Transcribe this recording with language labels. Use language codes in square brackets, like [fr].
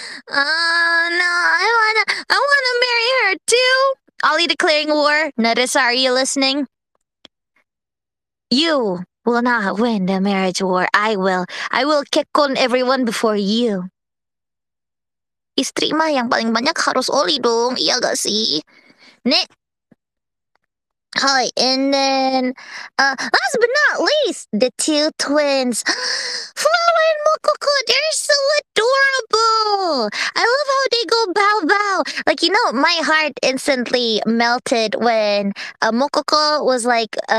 [en] No, I wanna marry her too. Ollie declaring war. Narissa, are you listening? You will not win the marriage war. I will. I will kick on everyone before you. [id] Istri mah yang paling banyak harus Oli dong. Iya gak sih? Nek. [en] Hi, and then... last but not least, the two twins. Flower and Mokoko, they're so adorable! I love how they go bow-bow. Like, you know, my heart instantly melted when Mokoko was like...